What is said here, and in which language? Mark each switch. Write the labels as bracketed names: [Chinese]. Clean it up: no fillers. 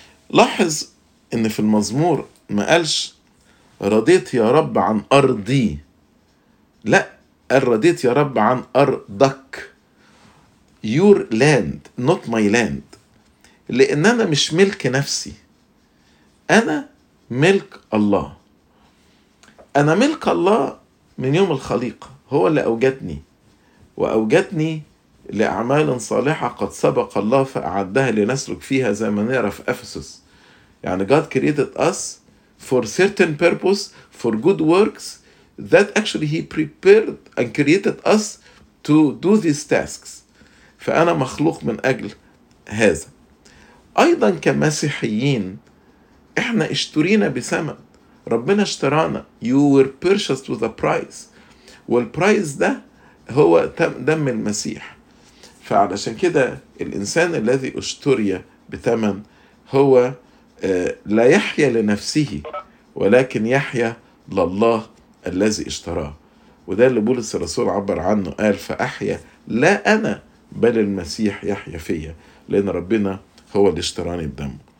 [Arabic] لاحظ إن في المزمور ما قالش رضيت يا رب عن أرضي، لا، قال رضيت يا رب عن أرضك، [English] your land not my land، [Arabic] لأن أنا مش ملك نفسي، أنا ملك الله. أنا ملك الله من يوم الخليقة، هو اللي أوجدني وأوجدني لأعمال صالحة قد سبق الله فأعدها لنسلك فيها زي ما نرى في أفسس. يعني [English] God created us for certain purpose, for good works that actually he prepared and created us to do these tasks. [Arabic] فأنا مخلوق من أجل هذا. أيضا كمسيحيين إحنا اشترينا بثمن، ربنا اشترانا، [English] you were purchased with a price، [Arabic] والبرايز ده هو دم المسيح. فعلشان كده الإنسان الذي اشتري بثمن هو لا يحيا لنفسه ولكن يحيا لله الذي اشتراه، وده اللي بولس الرسول عبر عنه، قال: فأحيا لا أنا بل المسيح يحيا فيا، لأن ربنا هو اللي اشتراني بدم.